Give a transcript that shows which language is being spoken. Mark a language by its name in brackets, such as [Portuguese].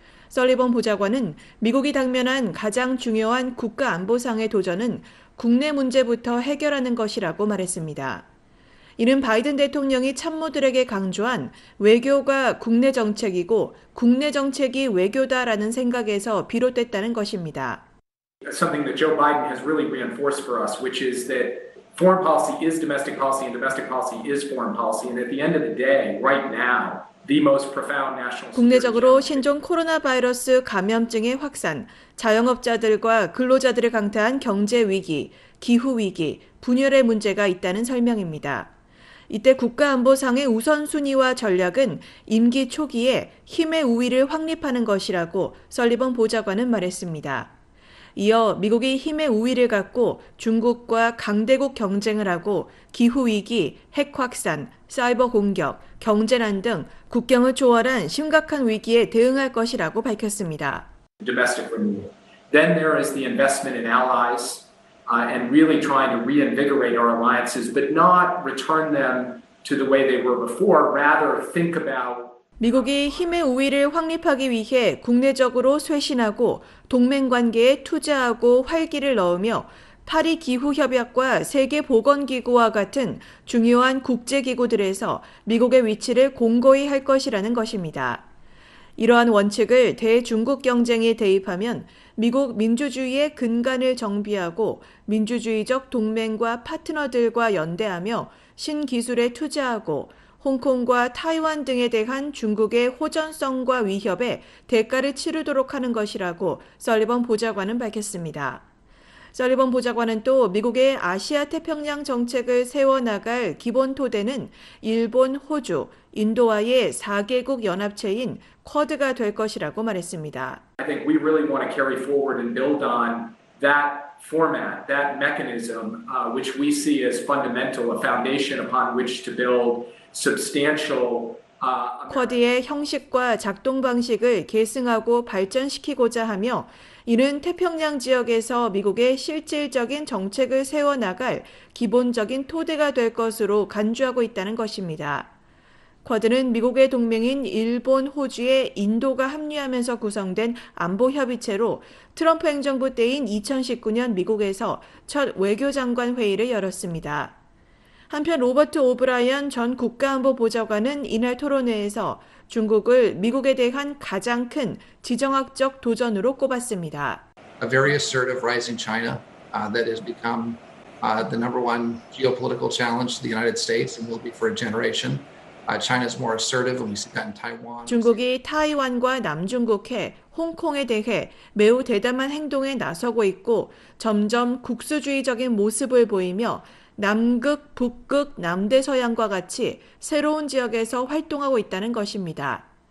[Korean] 설리번 보좌관은 미국이 당면한 가장 중요한 국가안보상의 도전은 국내 문제부터 해결하는 것이라고 말했습니다. 이는 바이든 대통령이 참모들에게 강조한 외교가 국내 정책이고 국내 정책이 외교다라는 생각에서 비롯됐다는 것입니다. [English] Something that Joe Biden has really reinforced for us, which is that foreign policy is domestic policy and domestic policy is foreign policy. And at the end of the day, right now, the most profound national [Korean] 국내적으로 신종 코로나 바이러스 감염증의 확산, 자영업자들과 근로자들을 강타한 경제 위기, 기후 위기, 분열의 문제가 있다는 설명입니다. 이때 국가안보상의 우선순위와 전략은 임기 초기에 힘의 우위를 확립하는 것이라고 설리번 보좌관은 말했습니다. 이어 미국이 힘의 우위를 갖고 중국과 강대국 경쟁을 하고 기후위기, 핵확산, 사이버 공격, 경제난 등 국경을 초월한 심각한 위기에 대응할 것이라고 밝혔습니다. [English] Domestic renewal. Then there is the investment in allies and really trying to reinvigorate our alliances, but not return them to the way they were before, rather think about [Korean] 미국이 힘의 우위를 확립하기 위해 국내적으로 쇄신하고 동맹관계에 투자하고 활기를 넣으며 파리기후협약과 세계보건기구와 같은 중요한 국제기구들에서 미국의 위치를 공고히 할 것이라는 것입니다. 이러한 원칙을 대중국 경쟁에 대입하면 미국 민주주의의 근간을 정비하고 민주주의적 동맹과 파트너들과 연대하며 신기술에 투자하고 홍콩과 타이완 등에 대한 중국의 호전성과 위협에 대가를 치르도록 하는 것이라고 설리번 보좌관은 밝혔습니다. 설리번 보좌관은 또 미국의 아시아 태평양 정책을 세워나갈 기본 토대는 일본, 호주, 인도와의 4개국 연합체인 쿼드가 될 것이라고 말했습니다. [English] I think we really want to carry forward and build on that format, that mechanism, which we see as fundamental, a foundation upon which to build substantial [Korean] 쿼드의 형식과 작동 방식을 계승하고 발전시키고자 하며 이는 태평양 지역에서 미국의 실질적인 정책을 세워나갈 기본적인 토대가 될 것으로 간주하고 있다는 것입니다. 쿼드는 미국의 동맹인 일본, 호주에 인도가 합류하면서 구성된 안보협의체로 트럼프 행정부 때인 2019년 미국에서 첫 외교장관 회의를 열었습니다. 한편 로버트 오브라이언 전 국가안보보좌관은 이날 토론회에서 중국을 미국에 대한 가장 큰 지정학적 도전으로 꼽았습니다. [English] A very assertive rising China that has become the number one geopolitical challenge to the United States and will be for a generation. China's more assertive, and we see that in Taiwan. [Korean] 중국이 타이완과 남중국해, 홍콩에 대해 매우 대담한 행동에 나서고 있고 점점 국수주의적인 모습을 보이며 남극, 북극, 남대 서양과 같이 새로운 지역에서 활동하고 있다는 것입니다.